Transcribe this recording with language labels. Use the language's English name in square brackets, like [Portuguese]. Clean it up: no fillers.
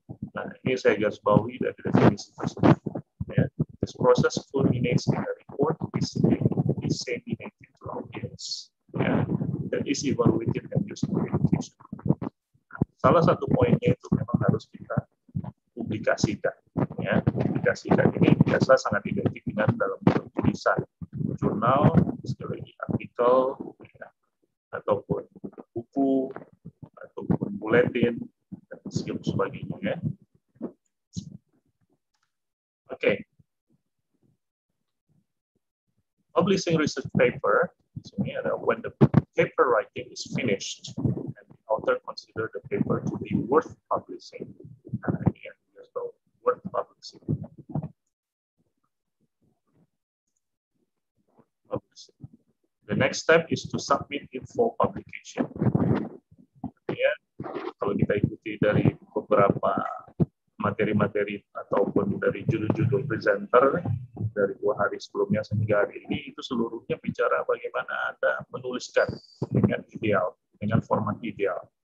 [Indonesian] Nah, ini saya garis bawahi dari definisi tersebut. [English] This process culminates in a report disseminated to audience that is evaluated and used for education. [Indonesian] Salah satu poinnya itu memang harus kita publikasikan. Ya. Publikasikan ini biasa sangat identik dengan dalam tulisan jurnal, sekali artikel, ya, ataupun buku, ataupun bulletin, dan sebagainya. Ya. [English] Okay. Publishing research paper, when the paper writing is finished and the author consider the paper to be worth publishing. Again, just the worth publishing. The next step is to submit it for publication. [Indonesian] Again, kalau kita ikuti dari beberapa materi-materi ataupun dari judul-judul presenter dari dua hari sebelumnya sehingga hari ini, itu seluruhnya bicara bagaimana Anda menuliskan dengan ideal, dengan format ideal.